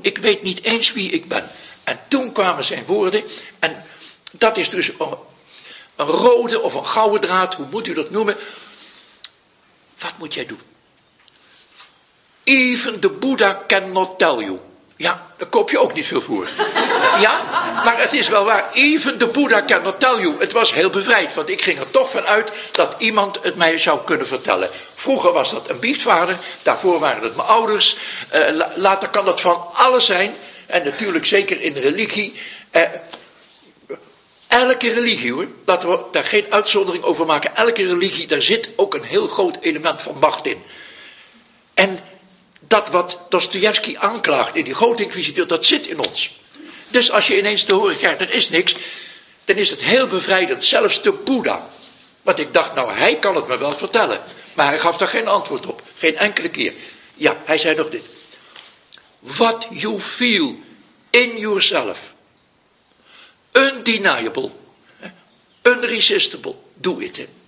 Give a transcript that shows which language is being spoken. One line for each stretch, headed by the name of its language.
Dutch: Ik weet niet eens wie ik ben. En toen kwamen zijn woorden, en dat is dus een rode of een gouden draad, hoe moet u dat noemen? Wat moet jij doen?
English: Even the Buddha cannot tell you.
Dutch: Ja, daar koop je ook niet veel voor. Ja, maar het is wel waar.
English: Even the Buddha cannot tell you.
Dutch: Het was heel bevrijd, want ik ging er toch van uit dat iemand het mij zou kunnen vertellen. Vroeger was dat een biechtvader, daarvoor waren het mijn ouders. Later kan dat van alles zijn. En natuurlijk zeker in religie. Elke religie hoor, laten we daar geen uitzondering over maken. Elke religie, daar zit ook een heel groot element van macht in. En dat wat Dostoevsky aanklaagt in die grote inquisitie, dat zit in ons. Dus als je ineens te horen krijgt, er is niks, dan is het heel bevrijdend, zelfs de Boeddha. Want ik dacht, nou hij kan het me wel vertellen. Maar hij gaf daar geen antwoord op, geen enkele keer. Ja, hij zei nog dit.
English: What you feel in yourself, undeniable, unresistible, do it.